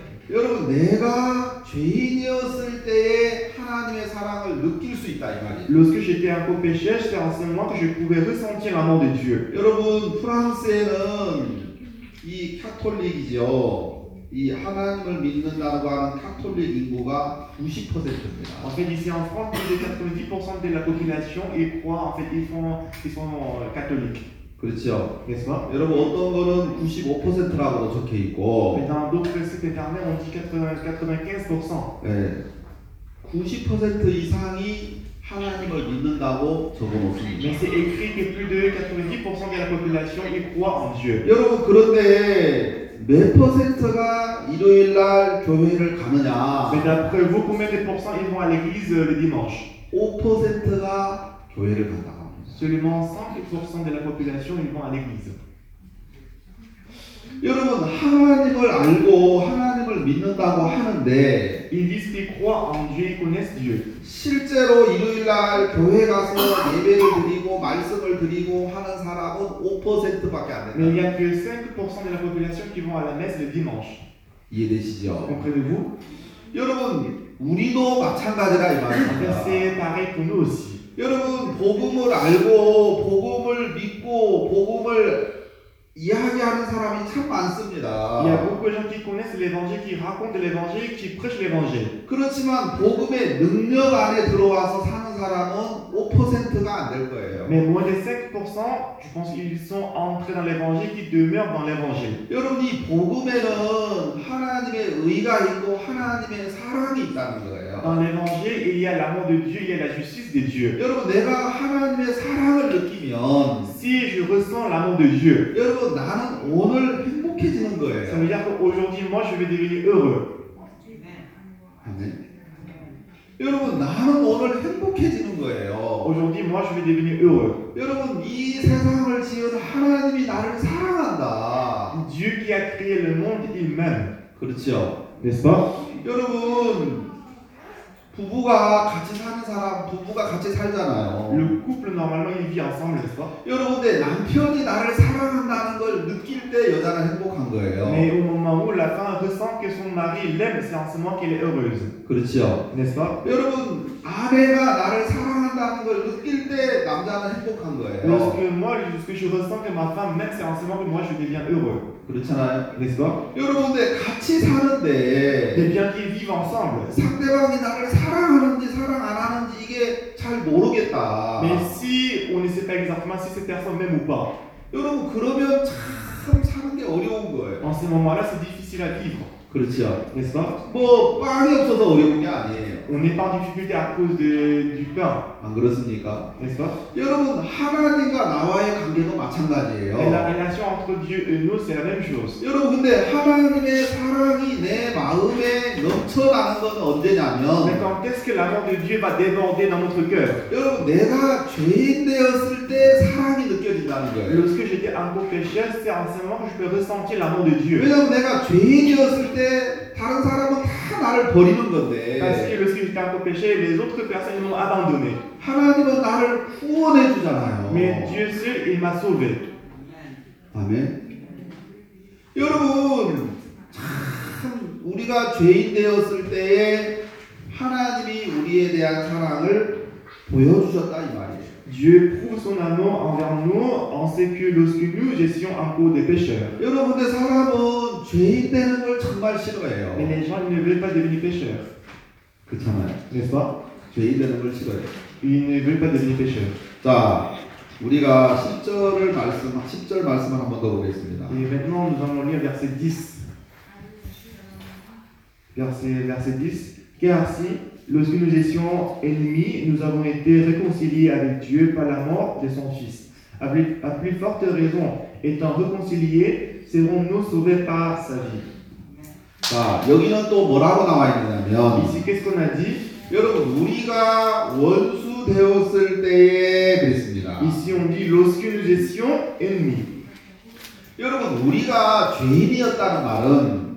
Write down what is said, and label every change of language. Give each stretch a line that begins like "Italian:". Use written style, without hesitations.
Korean: 여러분 내가 죄인이었을 때에 하나님의 사랑을 느낄 수 있다 이 말이에요.
French: Lorsque j'étais un pauvre pécheur, c'est en ce moment que je pouvais ressentir l'amour de Dieu.
Korean: 여러분 프랑스에는 이 카톨릭이죠. 이 하나님을 믿는다고 하는 카톨릭 인구가 90%입니다.
French: En fait, ici en France, plus de 90% de la population y croit. En fait, ils sont catholiques.
Korean: 그렇죠. 그래서 여러분 어떤 거는 95%라고 적혀 있고.
French: Mais dans d'autres sites internet, on dit 95%.
Korean: 네. 90% 이상이 하나님을 믿는다고 적어놓습니다.
French: Mais c'est écrit que plus de 90% de la population y croit en Dieu.
Korean: 여러분 그런데. 몇 퍼센트가 일요일 날 교회를 가느냐?
French: Mais d'après vous, combien de pourcents ils vont à l'église le dimanche?
Korean: 5%가 교회를 간다.
French: Seulement 5% de la population ils vont à l'église.
Korean: 여러분, 하나님을 알고 하나님을 믿는다고 하는데
French: Ils disent qu'ils croient en Dieu et connaissent Dieu.
Korean: 실제로 일요일 날 교회 가서 예배를 드리고 말씀을 드리고 하는 사람은 5%밖에 안 된다.
French: Il n'y a que 5% de la population qui vont à la messe le dimanche.
Korean: 이해되시죠?
French: Comprenez-vous?
Korean: 여러분, 우리도 마찬가지라 이 말입니다.
French: C'est pareil pour nous aussi.
Korean: 여러분, 복음을 알고 복음을 믿고 복음을 이야기하는 사람이 참 많습니다.
French: Il y a beaucoup de gens qui connaissent l'évangile, qui racontent l'évangile, qui prêchent l'évangile.
Korean: 그렇지만 복음의 능력 안에 들어와서 사는 사람은 5%가 안 될 거예요.
French: Mais moins de 5%, je pense qu'ils sont entrés dans l'évangile, qui demeurent dans l'évangile.
Korean: 여러분, 이 복음에는 하나님의 의가 있고 하나님의 사랑이 있다는 거예요.
French: Dans l'évangile, il y a l'amour de Dieu, il y a la justice de Dieu.
Korean: 여러분, 내가 하나님의 사랑을 느끼면
French: si je ressens l'amour de Dieu.
Korean: 여러분, 나는 오늘 행복해지는 거예요.
French: Ça veut dire qu'aujourd'hui, moi, je vais devenir heureux.
Korean: 여러분, 나는 오늘 행복해지는 거예요.
French: Aujourd'hui, moi, je vais devenir heureux.
Korean: 여러분, 이 세상을 지은 하나님이 나를 사랑한다.
French: Dieu qui a créé le monde, il m'aime.
Korean: 그렇죠.
French: N'est-ce pas?
Korean: 여러분, 부부가 같이 사는 사람, 부부가 같이 살잖아요.
French: Le couple normalement il vit ensemble, n'est-ce pas?
Korean: 여러분, 내 남편이 나를 사랑한다는 걸 느낄 때 여자는 행복한 거예요.
French: Mais au moment où la femme ressent que son mari l'aime, c'est en ce moment qu'elle est heureuse.
Korean: 그렇죠.
French: N'est-ce pas?
Korean: 여러분, 아내가 나를 사랑한다는 걸 느낄 때 남자는 행복한 거예요.
French: Lorsque moi, lorsque je ressens que ma femme m'aime, c'est en ce moment que moi je deviens heureux.
Korean: 그렇잖아요.
French: 네스바.
Korean: 여러분, 내 같이 사는데.
French: Des gens qui vivent ensemble.
Korean: 상대방이 나를 사랑하는지 사랑 안 하는지 이게 잘 모르겠다.
French: Mais si on ne sait pas exactement si cette personne m'aime ou pas.
Korean: 여러분, 그러면 참 사는 게 어려운 거예요.
French: En ce moment-là, c'est difficile à vivre.
Korean: 그렇죠.
French: 네스바.
Korean: 뭐 빵이 없어서 어려운 게 아니에요.
French: On n'est pas en difficulté à cause du pain.
Korean: 안 그렇습니까?
French: 네스바.
Korean: 여러분, 하나님과 나와의 관계도 마찬가지예요.
French: Et la relation entre Dieu et nous, c'est la même chose.
Korean: 여러분, 근데 하나님의 사랑이 내 마음에 넘쳐나는 건 언제냐면
French: Mais quand est-ce que l'amour de Dieu va déborder dans notre cœur?
Korean: 여러분, 내가 죄인 되었을 때 사랑이 느껴진다는 거예요.
French: Lorsque j'étais encore pécheur, c'est en ce moment que je peux ressentir l'amour de Dieu.
Korean: 왜냐면 내가 죄인이었을 때 다른 사람은 다 나를 버리는 건데.
French: Parce que lorsque j'étais encore pécheur, les autres personnes m'ont abandonné.
Korean: 하나님은 나를 구원해 주잖아요.
French: Mais Dieu seul, il m'a sauvé.
Korean: 아멘. 여러분, 참 우리가 죄인 되었을 때에 하나님이 우리에 대한 사랑을 보여주셨다 이 말이에요.
French: Dieu prouve son amour envers nous en ce que lorsque nous étions encore des pécheurs.
Korean: 여러분, 근데 사람은 죄인 되는 걸 정말 싫어해요.
French: Mais les gens ne veulent pas devenir pécheurs.
Korean: 그렇잖아요. 그래서 죄인 되는 걸 싫어해요.
French: Ils ne veulent pas devenir pécheurs.
Korean: 자, 우리가 10절을 말씀, 10절 말씀을 한번 더 보겠습니다.
French: Et maintenant nous allons lire verset 10. Verset 10. Car si lorsque nous étions ennemis, nous avons été réconciliés avec Dieu par la mort de son Fils. À plus forte raison, étant réconciliés, serons-nous sauvés par sa vie.
Korean: 자, 여기는 또 뭐라고 나와 있느냐면,
French: ici, qu'est-ce qu'on a dit?
Korean: 여러분, 우리가 원수 되었을 때에 그랬습니다.
French: Ici, on dit lorsque nous étions ennemis.
Korean: 여러분, 우리가 죄인이었다는 말은,